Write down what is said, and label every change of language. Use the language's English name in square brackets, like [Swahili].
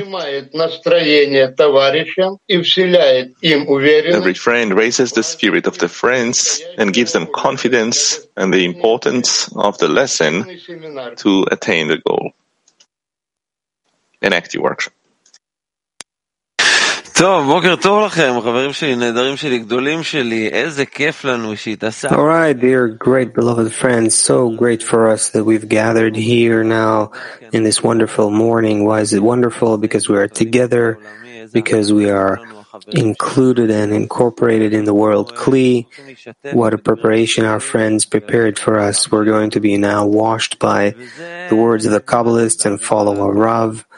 [English] every friend raises the spirit of the friends and gives them confidence and the importance of the lesson to attain the goal. An active workshop. [Hebrew] טוב, בוקר טוב לכם, חברים שלי, נהדרים שלי, גדולים שלי, איזה כיף לנו שהתאספנו. [English] All right, dear great beloved friends, so great for us that we've gathered here now in this wonderful morning. Why is it wonderful? Because we are together, because we are included and incorporated in the world Kli. What a preparation our friends prepared for us. We're going to be now washed by the words of the Kabbalists and follow a Rav.